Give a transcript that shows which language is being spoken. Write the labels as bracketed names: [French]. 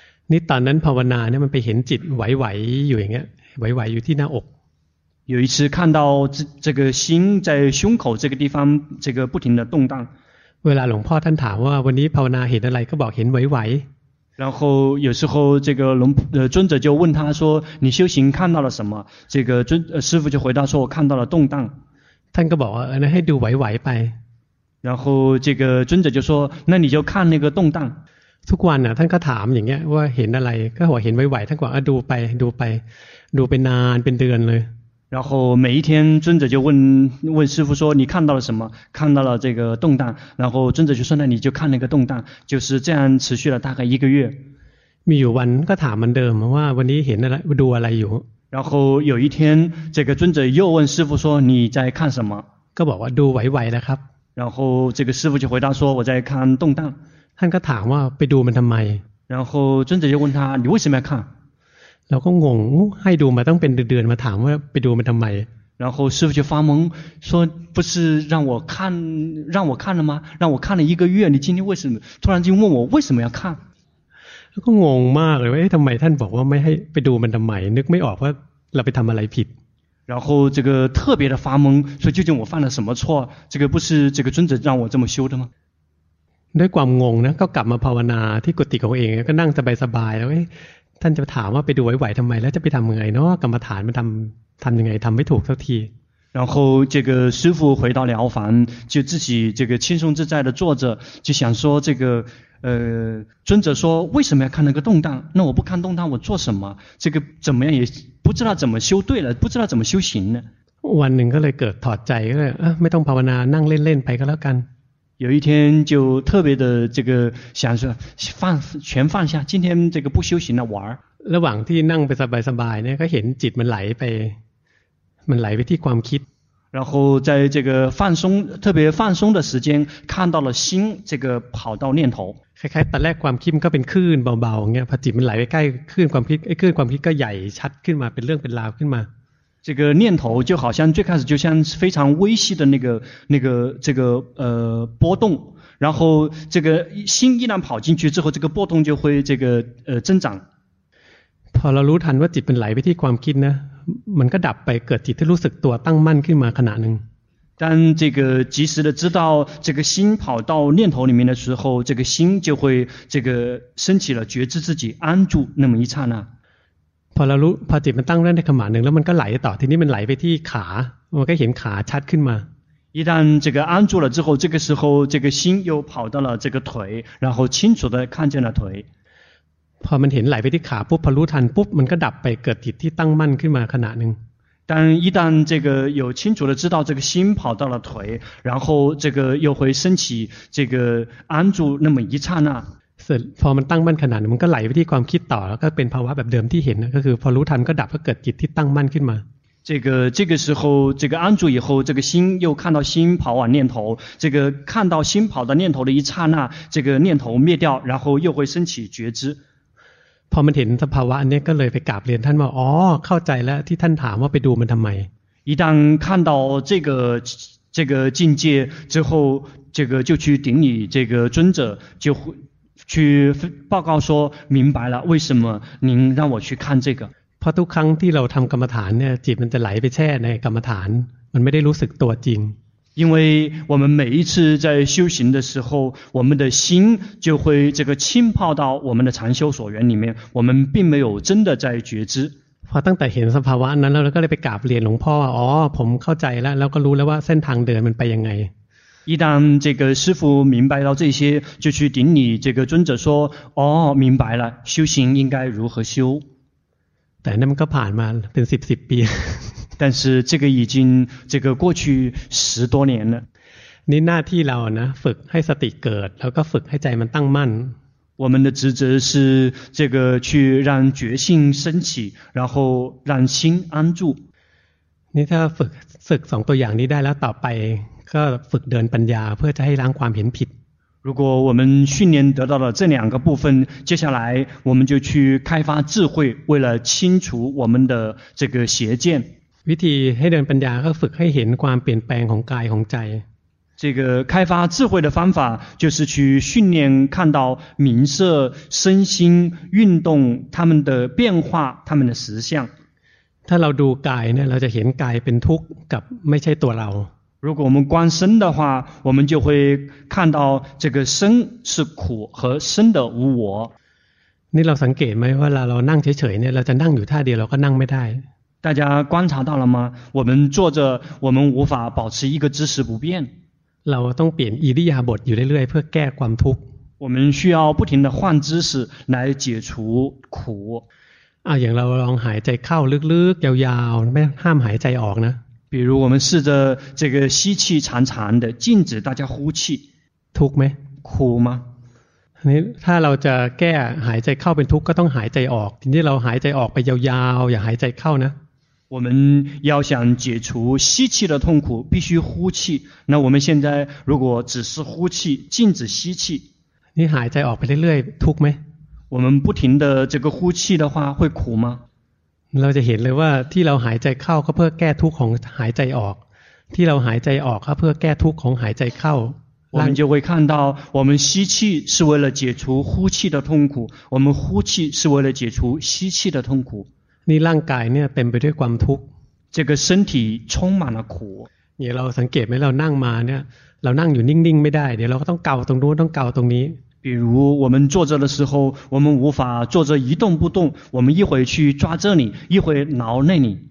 [Thai] นี่ตอนนั้นภาวนาเนี่ยมันไปเห็นจิตไหวๆอยู่อย่างเงี้ยไหวๆอยู่ที่หน้าอก [Chinese] 有一次看到这个心在胸口这个地方这个不停的动荡 [Thai] เวลาหลวงพ่อท่านถามว่าวันนี้ภาวนาเห็นอะไรก็บอกเห็นไหวไหว [Chinese] 然后有时候这个尊者就问他说你修行看到了什么这个师父就回答说我看到了动荡 [Thai] ท่านก็บอกว่าให้ดูไหวไหวไป [Chinese] 然后这个尊者就说那你就看那个动荡 [Thai] ทุกวันน่ะท่านก็ถามอย่างเงี้ยว่าเห็นอะไรก็บอกเห็นไหวไหวท่านก็บอกดูไปดูไปนานเป็นเดือนเลย [Chinese] 然后每一天尊者就问师父说你看到了什么，看到了这个动荡，然后尊者就说那你就看那个动荡，就是这样持续了大概一个月。 [Thai] มีอยู่วันก็ถามเหมือนเดิมว่าวันนี้เห็นอะไรดูอะไรอยู่ [Chinese] 然后有一天这个尊者又问师父说你在看什么， [Thai] ก็บอกว่าดูไหวๆนะครับ [Chinese] 然后这个师父就回答说我在看动荡。 [Thai] ท่านก็ถามว่าไปดูมันทำไม， [Chinese] 然后尊者就问他你为什么要看， [Thai] เราก็งงให้ดูมาต้องเป็นเดือนๆมาถามว่าไปดูมันทำไม [Chinese] 然后师父就发懵说不是让我看了吗，让我看了一个月，你今天为什么突然间问我为什么要看， [Thai] แล้วก็งงมากเลยว่าทำไมท่านบอกว่าไม่ให้ไปดูมันทำไมนึกไม่ออกว่าเราไปทำอะไรผิด [Chinese] 然后这个特别的发懵说究竟我犯了什么错，这个不是这个尊者让我这么修的吗， [Thai] ด้วยความงงนะก็กลับมาภาวนาที่กุฏิของเองก็นั่งสบายๆแล้วท่านจะถามว่าไปดูไหวๆทำไมแล้วจะไปทำยังไงเนาะกรรมฐานมันทำยังไงทำไม่ถูกสักที [Chinese] 然后这个师父回到疗房就自己这个轻松自在的坐着就想说这个尊者说为什么要看那个动荡，那我不看动荡我做什么，这个怎么样也不知道怎么修对了，不知道怎么修行呢， [Thai] วันหนึ่งก็เลยเกิดถอดใจก็เลยไม่ต้องภาวนานั่งเล่นๆไปก็แล้วกัน [Chinese] 有一天就特别的这个想说放全放下，今天这个不修行了玩。 [Thai] ระหว่างที่นั่งไปสบายๆเนี่ยก็เห็นจิตมันไหลไปที่ความคิด。 [Chinese] 然后在这个放松特别放松的时间，看到了心这个跑到念头。 [Thai] คล้ายๆตอนแรกความคิดก็เป็นคลื่นเบาๆเงี้ยพอจิตมันไหลไปใกล้คลื่นความคิดก็ใหญ่ชัดขึ้นมาเป็นเรื่องเป็นราวขึ้นมา。 [Chinese] 这个念头就好像最开始就像非常微细的那个波动，然后这个心一旦跑进去之后，这个波动就会这个增长。 [Thai] พอเรารู้ทันว่าจิตมันไหลไปที่ความคิดนะมันก็ดับไปเกิดจิตที่รู้สึกตัวตั้งมั่นขึ้นมาขณะหนึ่ง。 [Chinese] 但这个及时的知道这个心跑到念头里面的时候，这个心就会这个升起了觉知自己安住那么一刹那。 [Thai] พอเรารู้พอจิตมันตั้งได้ในขมาหนึ่งแล้วมันก็ไหลต่อทีนี้มันไหลไปที่ขามันก็เห็นขาชัดขึ้นมา [Chinese] 一旦这个安住了之后，这个时候这个心又跑到了这个腿，然后清楚的看见了腿。 [Thai] พอมันเห็นไหลไปที่ขาปุ๊บพอรู้ทันปุ๊บมันก็ดับไปเกิดจิตที่ตั้งมั่นขึ้นมาขณะหนึ่ง [Chinese] 但一旦这个有清楚的知道这个心跑到了腿，然后这个又会升起这个安住那么一刹那。 [Thai] พอมันตั้งมั่นขนาดนั้นมันก็ไหลไปที่ความคิดต่อแล้วก็เป็นภาวะแบบเดิมที่เห็นก็คือพอรู้ทันก็ดับก็เกิดจิตที่ตั้งมั่นขึ้นมา [Chinese] 这个时候这个安住以后这个心又看到心跑往念头这个看到心跑到念头的一刹那这个念头灭掉然后又会升起觉知 [Thai] พอมันเห็นสภาวะอันนี้ก็เลยไปกราบเรียนท่านว่าอ๋อเข้าใจแล้วที่ท่านถามว่าไปดูมันทำไม [Chinese] 一旦看到这个境界之后这个就去顶礼这个尊者就会去报告说明白了为什么您让我去看这个。 [Thai] พอทุกครั้งที่เราทำกรรมฐานเนี่ยจิตมันจะไหลไปแช่ในกรรมฐานมันไม่ได้รู้สึกตัวจริง [Chinese] 因为我们每一次在修行的时候我们的心就会这个浸泡到我们的禅修所缘里面我们并没有真的在觉知。 [Thai] พอตั้งแต่เห็นสภาวะนั้นแล้วเราก็เลยไปกราบเรียนหลวงพ่อว่าอ๋อผมเข้าใจแล้วแล้วก็รู้แล้วว่าเส้นทางเดินมันไปยังไง [Chinese] 一旦这个师父明白到这些，就去顶礼这个尊者说：“哦，明白了，修行应该如何修？” [Thai] แต่นั่นก็ผ่านมาเป็นสิบปี。 [Chinese] 但是这个已经这个过去十多年了。 [Thai] นี่หน้าที่เรานะฝึกให้สติเกิดแล้วก็ฝึกให้ใจมันตั้งมั่น。 [Chinese] 我们的职责是这个去让觉性升起，然后让心安住。 [Thai] นี่ถ้าฝึกสองตัวอย่างนี้ได้แล้วต่อไปก็ฝึกเดินปัญญาเพื่อจะให้ล้างความเห็นผิด [Chinese] 如果我们训练得到了这两个部分接下来我们就去开发智慧为了清除我们的这个邪见 [Thai] วิธีให้เดินปัญญาก็ฝึกให้เห็นความเปลี่ยนแปลงของกายของใจ [Chinese] 这个开发智慧的方法就是去训练看到名色身心运动他们的变化他们的实相 [Thai] ถ้าเราดูกายเนี่ยเราจะเห็นกายเป็นทุกข์กับไม่ใช่ตัวเรา [Chinese] 如果我们观身的话我们就会看到这个身是苦和身的无我你老想给没有了老弄起水呢老想弄有太多了老弄没太大家观察到了吗我们坐着我们无法保持一个姿势不变老东边伊利亚伯有的人会盖光秃我们需要不停的换姿势来解除苦 [Thai] อย่างเราลองหายใจเข้าลึกๆยาวๆไม่ห้ามหายใจออกนะ [Chinese] 比如我们试着这个吸气长长的禁止大家呼气 [Thai] ทุกไหม คู่มั้ย นี่ถ้าเราจะแก้หายใจเข้าเป็นทุกข์ก็ต้องหายใจออกทีนี้เราหายใจออกไปยาวๆอย่าหายใจเข้านะ [Chinese] 我们要想解除吸气的痛苦必须呼气那我们现在如果只是呼气禁止吸气 [Thai] นี่หายใจออกไปเรื่อยๆทุกไหม [Chinese] 我们不停的这个呼气的话会苦吗 [Thai] เราจะเห็นเลยว่าที่เราหายใจเข้าก็เพื่อแก้ทุกข์ของหายใจออกที่เราหายใจออกก็เพื่อแก้ทุกข์ของหายใจเข้า [Chinese] 我们就会看到我们吸气是为了解除呼气的痛苦我们呼气是为了解除吸气的痛苦 [Thai] นี่ร่างกายเนี่ยเป็นไปด้วยความทุกข์ [Chinese] 这个身体充满了苦 [Thai] เนี่ยเราสังเกตไหมเรานั่งมาเนี่ยเรานั่งอยู่นิ่งๆไม่ได้เดี๋ยวเราก็ต้องเกาตรงนู้นต้องเกาตรงนี้ [Chinese] 比如我们坐着的时候我们无法坐着一动不动我们一会去抓这里一会挠那里